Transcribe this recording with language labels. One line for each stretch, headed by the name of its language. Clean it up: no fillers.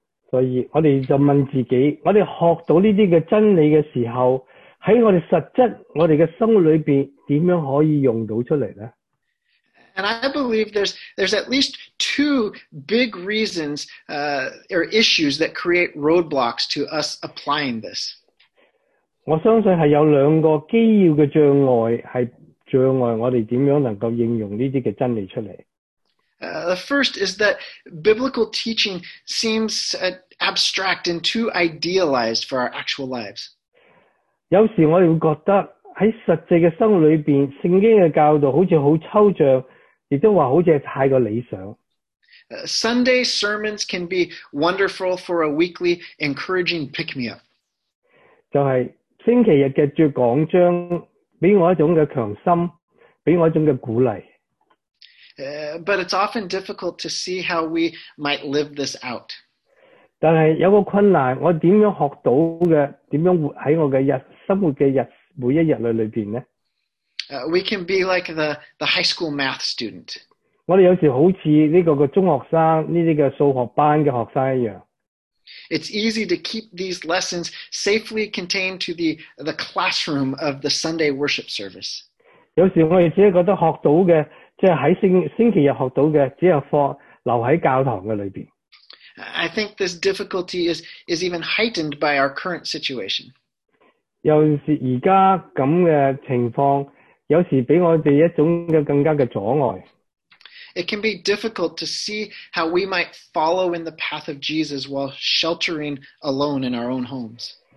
Cantonese: 所以我哋就问自己：我哋学到呢啲嘅真理嘅时候，喺我哋实质我哋嘅生活里边，点样可以用到出嚟咧？
English: And I believe there's at least two big reasons or issues that create roadblocks to us applying this.
Cantonese: 我相信系有两个基要嘅障碍系。障碍我哋点样能够应用呢啲嘅真理出嚟？
English: The first is that biblical teaching seems abstract and too idealized for our actual lives.
Cantonese: 有时我哋会觉得喺实际嘅生活里边，圣经嘅教导好似好抽象，亦都话好似太过理想。
English: Sunday sermons can be wonderful for a weekly encouraging pick-me-up.
Cantonese: 就系星期日嘅主讲章。俾我一种嘅强心，俾我一种嘅鼓励。
English: But it's often difficult to see how we might live this out.
Cantonese: 但系有个困难，我点样学到嘅？点样活喺我嘅日生活嘅日每一日里边咧？
English: We can be like the high school math student.
Cantonese: 我哋有时好似呢个嘅中学生呢啲嘅数学班嘅学生一样。
English: It's easy to keep these lessons safely contained to the classroom of the Sunday worship service.
Cantonese: 有时我哋只系觉得学到嘅，即系喺星期日学到嘅，只系放留喺教堂嘅里边。
English: I think this difficulty is even heightened by our current situation.
Cantonese: 有时而家咁嘅情况，有时俾我哋一种嘅更加嘅阻碍。
English: It can be difficult to see how we might follow in the path of Jesus while sheltering alone in our own homes.